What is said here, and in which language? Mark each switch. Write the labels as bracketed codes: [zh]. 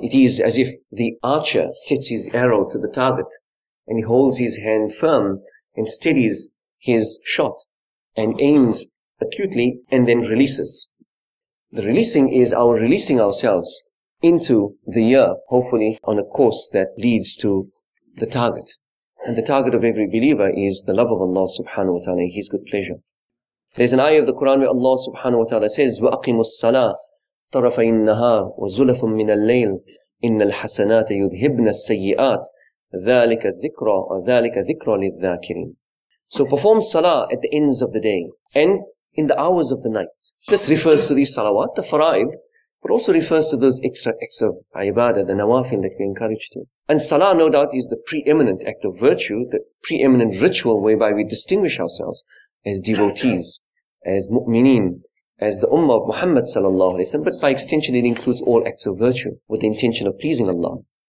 [en] It is as if the archer sets his arrow to the target and he holds his hand firm and steadies his shot and aims acutely and then releases. The releasing is our releasing ourselves into the year, hopefully on a course that leads to the target. And the target of every believer is the love of Allah subhanahu wa ta'ala, His good pleasure. There's an ayah of the Quran where Allah subhanahu wa ta'ala says, [ar] وَأَقِمُ الصَّلَاةِ طَرَفَيِ النَّهَارِ وَزُلَفٌ مِّنَ اللَّيْلِ إِنَّ الْحَسَنَاتَ يُذْهِبْنَ السَّيِّئَاتِ ذَلِكَ ذِكْرَ ذَلِكَ ذِكْرَ لِلذَّاكِرِينَ. [en] So perform salah at the ends of the day and in the hours of the night. This refers to these salawat, the fara'id, but also refers to those extra acts of ibadah, the nawafil that we encourage to. And salah, no doubt, is the preeminent act of virtue, the preeminent ritual whereby we distinguish ourselves as devotees, as mu'mineen, as the ummah of Muhammad sallallahu alayhi wa sallam, but by extension it includes all acts of virtue with the intention of pleasing Allah.